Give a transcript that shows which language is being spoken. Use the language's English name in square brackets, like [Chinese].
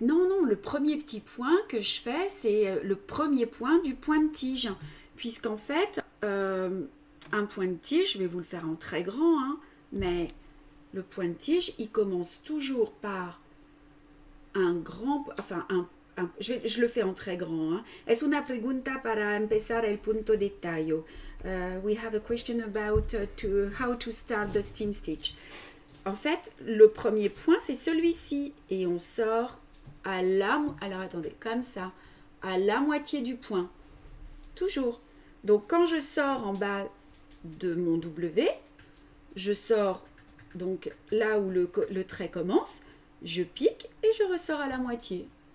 [French] Non, non, le premier petit point que je fais, c'est le premier point du point de tige. Puisqu'en fait, un point de tige, je vais vous le faire en très grand, hein, mais le point de tige, il commence toujours par un grand... Enfin, je le fais en très grand. Hein. [Spanish] Es una pregunta para empezar el punto de tallo. [English] We have a question about how to start the seam stitch. [French] En fait, le premier point, c'est celui-ci. Et on sort à la... Alors, attendez, comme ça. À la moitié du point. Toujours. Donc, quand je sors en bas de mon W, je sors donc là où le trait commence, je pique et je ressors à la moitié.